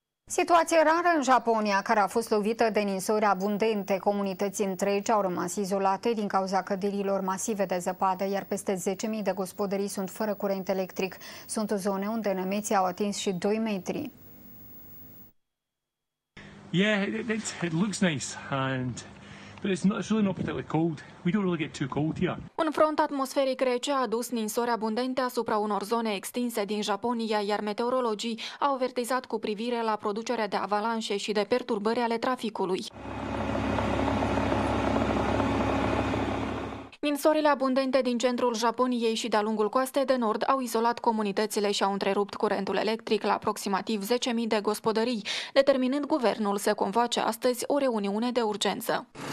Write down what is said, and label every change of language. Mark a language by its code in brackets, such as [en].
[ro] Situație rară în Japonia, care a fost lovită de ninsori abundente. Comunități întregi au rămas izolate din cauza căderilor masive de zăpadă, iar peste 10.000 de gospodării sunt fără curent electric. Sunt zone unde nămeții au atins și 2 metri. [en] Yeah, it looks nice and but it's really not particularly cold. We don't really get too cold here. [ro] Un front atmosferic rece a adus ninsori abundente asupra unor zone extinse din Japonia, iar meteorologii au avertizat cu privire la producerea de avalanșe și de perturbări ale traficului. Ninsorile abundente din centrul Japoniei și de-a lungul coastei de nord au izolat comunitățile și au întrerupt curentul electric la aproximativ 10.000 de gospodării, determinând guvernul să convoace astăzi o reuniune de urgență.